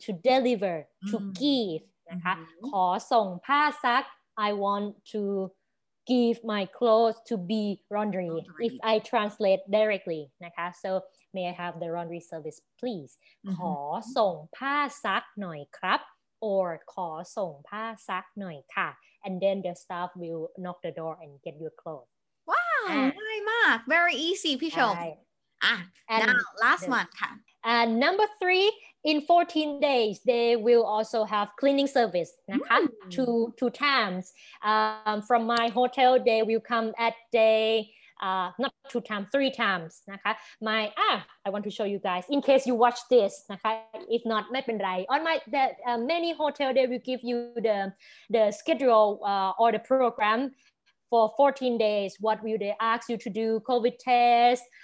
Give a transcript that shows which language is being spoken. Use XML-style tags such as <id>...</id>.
<en>to deliver to give</en> <th>นะคะขอส่งผ้าซัก</th> <en>I want to give my clothes to be laundry if I translate directly นะคะ so may I have the laundry service please</en> <th>ขอส่งผ้าซักหน่อยครับ</th> <en>or</en> <th>ขอส่งผ้าซักหน่อยค่ะ</th> <en>and then the staff will knock the door and get your clothes</en> <th>ว้าวง่ายมาก</th> <en>very easy</en> <th>พี่ชม</th> <en>And now, last one, ค่ะ And number three, in 14 days, they will also have cleaning service, นะคะ two times. From my hotel, they will come at day not two times, three times นะคะ my I want to show you guys in case you watch this นะคะ if not</en> <th>ไม่เป็นไร</th> <en>on my the many hotel they will give you the schedule or the program for 14 days what will they ask you to do covid test</en>